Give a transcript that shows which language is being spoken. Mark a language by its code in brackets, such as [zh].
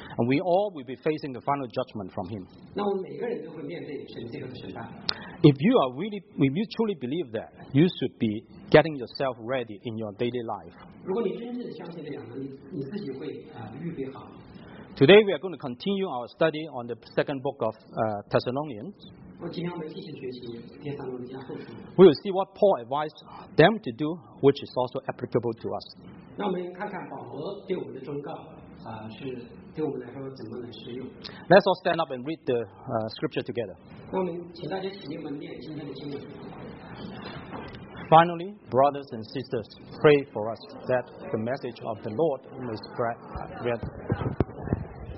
[en] And we all will be facing the final judgment from Him. [zh] 那我们每个人都会面对神这个的审判。 [en] If you are really, if you truly believe that, you should be getting yourself ready in your daily life. [zh] 如果你真正相信这样的，你自己会预备好。 [en] Today we are going to continue our study on the second book of Thessalonians. We will see what Paul advised them to do, which is also applicable to us. [zh] 那我们看看保罗对我们的忠告，是对我们来说怎么能适用。 [en] Let's all stand up and read the scripture together. [zh] 那我们请大家起立，我们念今天的经文。 [en] Finally, brothers and sisters, pray for us that the message of the Lord may spread.